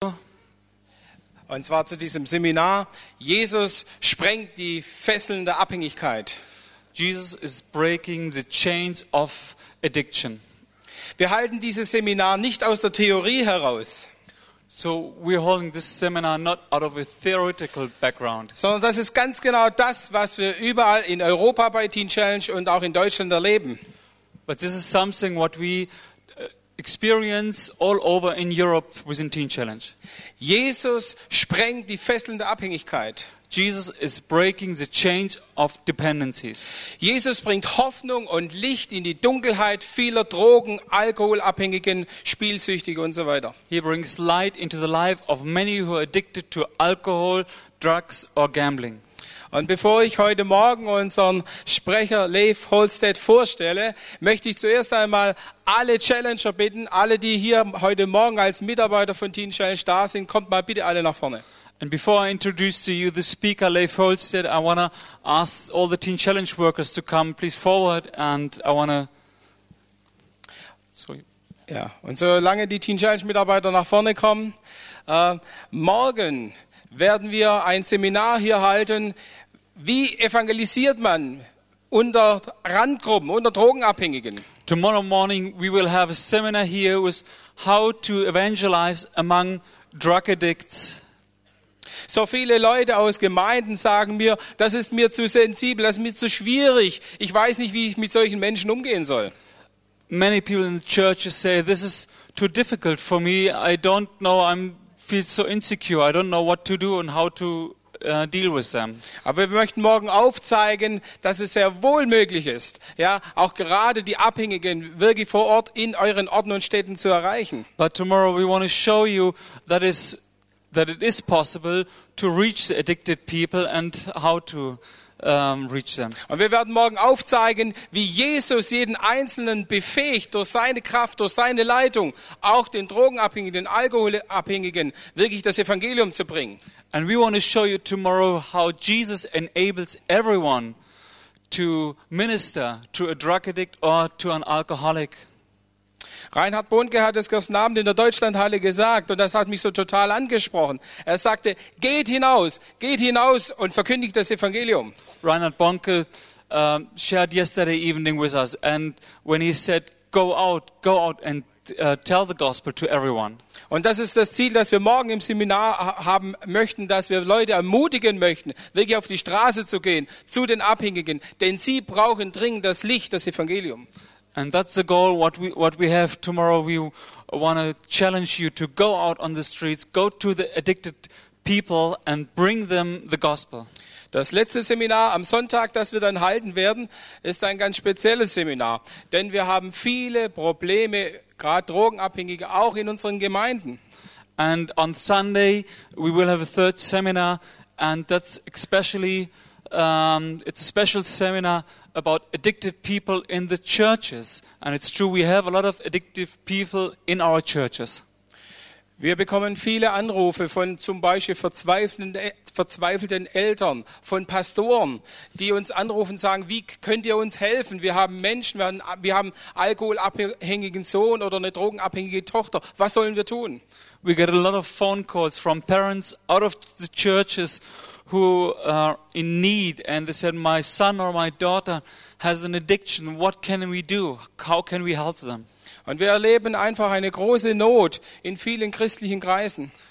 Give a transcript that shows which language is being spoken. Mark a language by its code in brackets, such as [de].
[de] Und zwar zu diesem Seminar: Jesus sprengt die Fesseln der Abhängigkeit. [en] Jesus is breaking the chains of addiction. [de] Wir halten dieses Seminar nicht aus der Theorie heraus. [en] So we're holding this seminar not out of a theoretical background. [de] Sondern das ist ganz genau das, was wir überall in Europa bei Teen Challenge und auch in Deutschland erleben. [en] But this is something what we experience all over in Europe within Teen Challenge. [de] Jesus sprengt die Fesseln der Abhängigkeit. [en] Jesus is breaking the chains of dependencies. [de] Jesus bringt Hoffnung und Licht in die Dunkelheit vieler Drogen, Alkoholabhängigen, Spielsüchtigen und so weiter. [en] He brings light into the life of many who are addicted to alcohol, drugs or gambling. [de] Und bevor ich heute Morgen unseren Sprecher Leif Holstedt vorstelle, möchte ich zuerst einmal alle Challenger bitten, alle die hier heute Morgen als Mitarbeiter von Teen Challenge da sind, kommt mal bitte alle nach vorne. [en] And before I introduce to you the speaker Leif Holstedt, I want to ask all the Teen Challenge workers to come please forward and I want to. [de] Ja, und solange die Teen Challenge Mitarbeiter nach vorne kommen, morgen werden wir ein Seminar hier halten, wie evangelisiert man unter Randgruppen, unter Drogenabhängigen. [en] Tomorrow morning we will have a seminar here with how to evangelize among drug addicts. [de] So viele Leute aus Gemeinden sagen mir, das ist mir zu sensibel, das ist mir zu schwierig. Ich weiß nicht, wie ich mit solchen Menschen umgehen soll. [en] Many people in the churches say, this is too difficult for me. I don't know, I feel so insecure. I don't know what to do and how to deal with them. [de] Aber wir möchten morgen aufzeigen, dass es sehr wohl möglich ist, ja, auch gerade die Abhängigen wirklich vor Ort in euren Orten und Städten zu erreichen. [en] But tomorrow we want to show you that is that it is possible to reach the addicted people and how to reach them. [de] Und wir werden morgen aufzeigen, wie Jesus jeden Einzelnen befähigt, durch seine Kraft, durch seine Leitung, auch den Drogenabhängigen, den Alkoholabhängigen, wirklich das Evangelium zu bringen. [en] And we want to show you tomorrow how Jesus enables everyone to minister to a drug addict or to an alcoholic. [de] Reinhard Bonnke hat es gestern Abend in der Deutschlandhalle gesagt und das hat mich so total angesprochen. Er sagte, geht hinaus und verkündigt das Evangelium. [en] Reinhard Bonnke shared yesterday evening with us and when he said, go out and tell the gospel to everyone. [de] Und das ist das Ziel, das wir morgen im Seminar haben möchten, dass wir Leute ermutigen möchten, wirklich auf die Straße zu gehen, zu den Abhängigen, denn sie brauchen dringend das Licht, das Evangelium. [en] And that's the goal what we have tomorrow. We want to challenge you to go out on the streets, go to the addicted people and bring them the gospel. [de] Das letzte Seminar am Sonntag, das wir dann halten werden, ist ein ganz spezielles Seminar, denn wir haben viele Probleme, gerade Drogenabhängige, auch in unseren Gemeinden. [en] And on Sunday we will have a third seminar and that's especially it's a special seminar about addicted people in the churches. And it's true, we have a lot of addictive people in our churches. [de] Wir bekommen viele Anrufe von zum Beispiel verzweifelten Eltern, von Pastoren, die uns anrufen und sagen, wie könnt ihr uns helfen? Wir haben Menschen, wir haben alkoholabhängigen Sohn oder eine drogenabhängige Tochter. Was sollen wir tun? [en] We get a lot of phone calls from parents out of the churches who are in need and they said my son or my daughter has an addiction, what can we do, how can we help them? [de] Und wir erleben einfach eine große Not in vielen christlichen Kreisen.